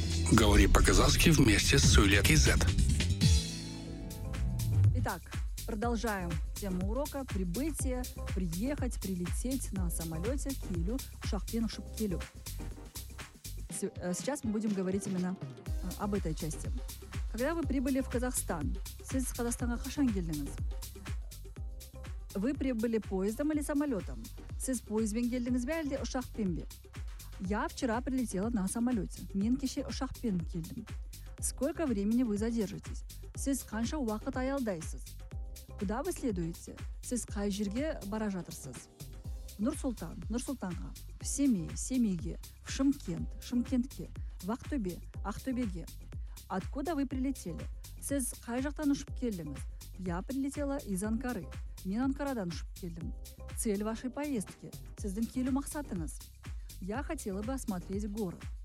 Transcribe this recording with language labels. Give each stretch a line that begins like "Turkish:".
Russian: Говори по-казахски вместе с Сулет.кз. Итак, продолжаем тему урока «Прибытие, приехать, прилететь на самолете Килю Шахпен Шупкилю». Сейчас мы будем говорить именно об этой части. Когда вы прибыли в Казахстан,
Kazakh: сіз Қазақстанға қашан келдіңіз?
Russian: Вы прибыли поездом или самолетом?
Kazakh: Сіз поездбен келдіңіз бе, әлде ұшақпен бе?
Russian: Я вчера прилетела на самолете.
Kazakh: Мен кеше ұшақпен келдім.
Russian: Сколько времени вы задержитесь?
Kazakh: Сіз қанша уақыт аялдайсыз?
Russian: Куда вы следуете?
Kazakh: Сіз қай жерге бара жатырсыз? Нұрсултан, Нұрсултанға. В Семей, Семейге. В Шымкент, Шымкентке.
Russian: В Ақтөбе, Ақтөбеге. Откуда вы прилетели?
Kazakh: Сіз қай жақтан ұшып келдіңіз?
Russian: Я прилетела из Анкары.
Kazakh: Мен Анкарадан ұшып келдім.
Russian: Цель вашей поездки?
Kazakh: Сіздің келу мақсатыңыз?
Russian: Я хотела бы осмотреть город.